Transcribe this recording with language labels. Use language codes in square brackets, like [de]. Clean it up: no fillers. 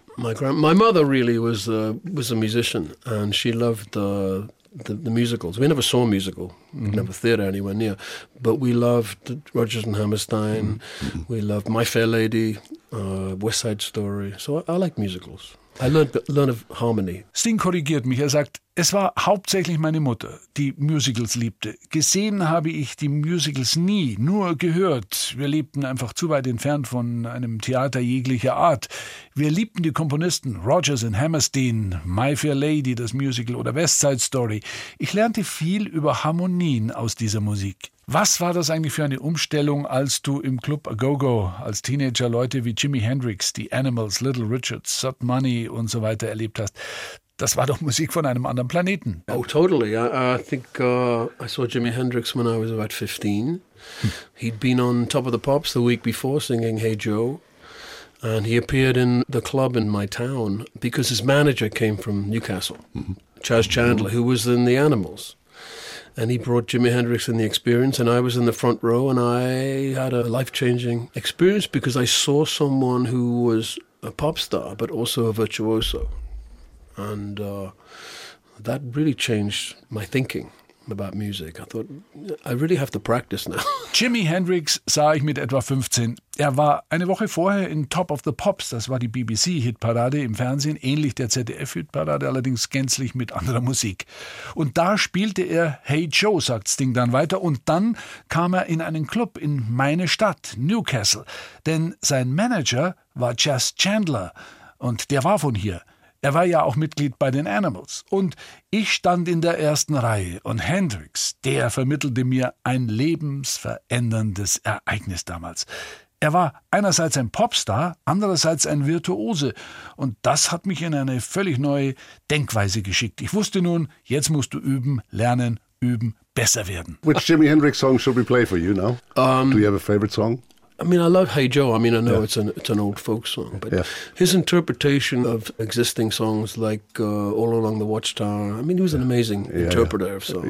[en] My mother really was a musician, and she loved the musicals. We never saw a musical, never theater anywhere near, but we loved Rodgers and Hammerstein. Mm-hmm. We loved My Fair Lady, West Side Story. So I like musicals. I learned of harmony. [de] Sting korrigiert mich. Sagt, es war hauptsächlich meine Mutter, die Musicals liebte. Gesehen habe ich die Musicals nie, nur gehört. Wir lebten einfach zu weit entfernt von einem Theater jeglicher Art. Wir liebten die Komponisten Rodgers and Hammerstein, My Fair Lady, das Musical oder West Side Story. Ich lernte viel über Harmonien aus dieser Musik. Was war das eigentlich für eine Umstellung, als du im Club Agogo als Teenager Leute wie Jimi Hendrix, The Animals, Little Richard, Sud Money und so weiter erlebt hast? Das war doch Musik von einem anderen Planeten. [en] Oh, totally. I think I saw Jimi Hendrix when I was about 15. He'd been on Top of the Pops the week before singing Hey Joe. And he appeared in the club in my town because his manager came from Newcastle, Chas Chandler, who was in The Animals. And he brought Jimi Hendrix in the experience, and I was in the front row, and I had a life-changing experience because I saw someone who was a pop star, but also a virtuoso. And that really changed my thinking about music. I thought, I really have to practice now. [de] Jimi Hendrix sah ich mit etwa 15. Er war eine Woche vorher in Top of the Pops, das war die BBC-Hitparade im Fernsehen, ähnlich der ZDF-Hitparade, allerdings gänzlich mit anderer Musik. Und da spielte er Hey Joe, sagt Sting dann weiter, und dann kam er in einen Club in meine Stadt, Newcastle. Denn sein Manager war Chas Chandler, und der war von hier. Er war ja auch Mitglied bei den Animals. Und ich stand in der ersten Reihe und Hendrix, der vermittelte mir ein lebensveränderndes Ereignis damals. Er war einerseits ein Popstar, andererseits ein Virtuose. Und das hat mich in eine völlig neue Denkweise geschickt. Ich wusste nun, jetzt musst du üben, lernen, üben, besser werden. [en] Which Jimi Hendrix song should we play for you now? Do you have a favorite song? I mean, I love Hey Joe. I mean, I know it's an old folk song, but his interpretation of existing songs like All Along the Watchtower, I mean, he was an amazing interpreter of songs.